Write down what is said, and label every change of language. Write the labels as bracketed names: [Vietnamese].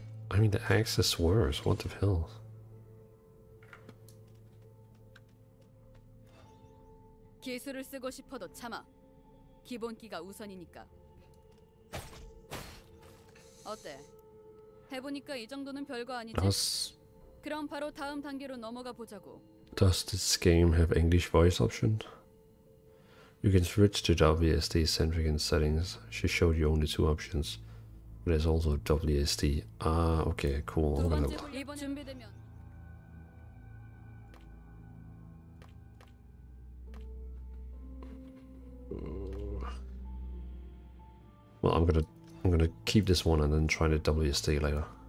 [English] I mean, the axe is worse. What the hell? [Korean] 기술을 쓰고 싶어도 참아. 기본기가 우선이니까. 어때? 해보니까 이 정도는 별거 아니지? Das... 그럼 바로 다음 단계로 넘어가 보자고. [English] Does this game have English voice options? You can switch to WSD centric in settings. She showed you only two options. There's also WSD. Ah, okay, cool. I'm gonna I'm gonna keep this one and then try the WSD later.